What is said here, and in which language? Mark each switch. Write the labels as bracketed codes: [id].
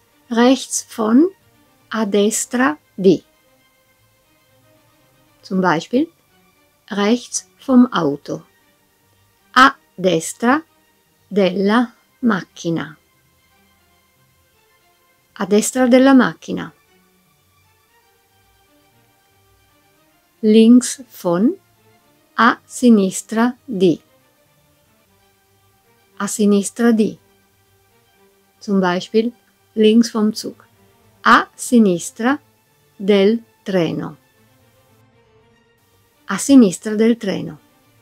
[de] Rechts von, [it] a destra di. [de] Zum Beispiel, rechts vom Auto. [it] A destra della macchina. A destra della macchina. [de] Links von, [it] a sinistra di. A sinistra di. [de] Zum Beispiel, links vom Zug. [it] A sinistra del treno. A sinistra del treno.